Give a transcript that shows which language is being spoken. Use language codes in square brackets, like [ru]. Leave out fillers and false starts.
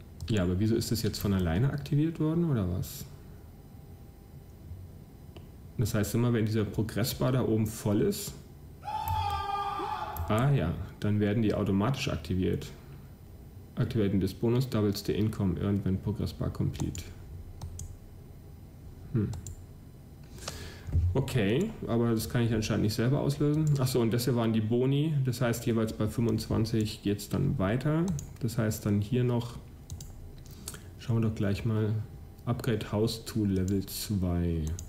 [de] Ja, aber wieso ist das jetzt von alleine aktiviert worden, oder was? Das heißt immer, wenn dieser Progressbar da oben voll ist, ah ja, dann werden die automatisch aktiviert. [en] Activating this bonus, doubles the income, earned when Progressbar complete. [de] Okay, aber das kann ich anscheinend nicht selber auslösen. Achso, und das hier waren die Boni. Das heißt, jeweils bei 25 geht es dann weiter. Das heißt, dann hier noch, schauen wir doch gleich mal, [en] Upgrade House to Level 2.